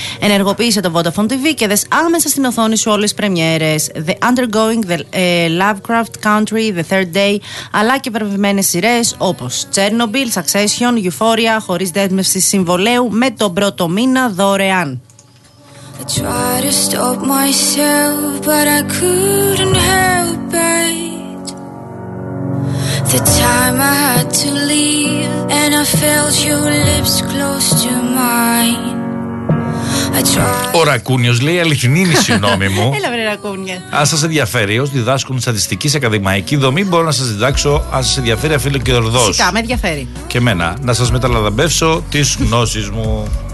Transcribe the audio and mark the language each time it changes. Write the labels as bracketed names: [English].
[Greek] Ενεργοποίησε το Vodafone TV και δες άμεσα στην οθόνη σου όλες τις πρεμιέρες, The Undergoing, The Lovecraft Country, The Third Day, αλλά και βραβευμένες σειρές όπως Chernobyl, Succession, Euphoria, χωρίς δέσμευση συμβολέου, με τον πρώτο μήνα δωρεάν. [English] I try to stop myself, but I couldn't help it. The time I had to leave, and I felt your lips close to mine. [Greek] Ο Ρακούνιος λέει αληθινή είναι η συγγνώμη μου. Έλα βρε Ρακούνια. Αν σας ενδιαφέρει, ως διδάσκουν στατιστική σε ακαδημαϊκή δομή, μπορώ να σας διδάξω. Αν σας ενδιαφέρει, αφήλω και ορδός. Φυσικά, με ενδιαφέρει. Και εμένα, να σας μεταλαμπεύσω τις γνώσεις μου.